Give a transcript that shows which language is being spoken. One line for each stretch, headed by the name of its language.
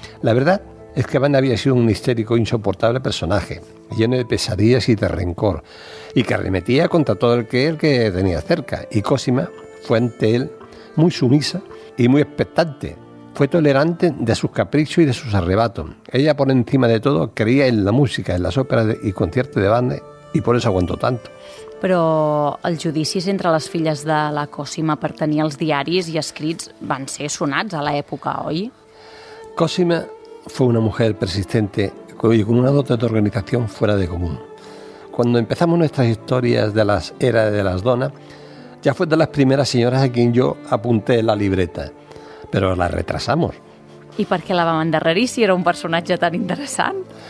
Spanish: La verdad es que Wagner había sido un histérico, insoportable personaje, lleno de pesadillas y de rencor, y que arremetía contra todo el que tenía cerca. Y Cosima fue ante él muy sumisa y muy expectante. Fue tolerante de sus caprichos y de sus arrebatos. Ella, por encima de todo, creía en la música, en las óperas y conciertos de Wagner,
Catalan: i per això aguanto tant. Però els judicis entre les filles de la Cosima per tenir els diaris i escrits van ser sonats a l'època, oi?
Spanish: Cosima fue una mujer persistente y con una dote de organización fuera de común. Cuando empezamos nuestras historias de las eras de las donas, ya fue de las primeras señoras a quien yo apunté la libreta, pero la retrasamos. ¿Y por qué la van a endarrerir si era un personaje tan interesante?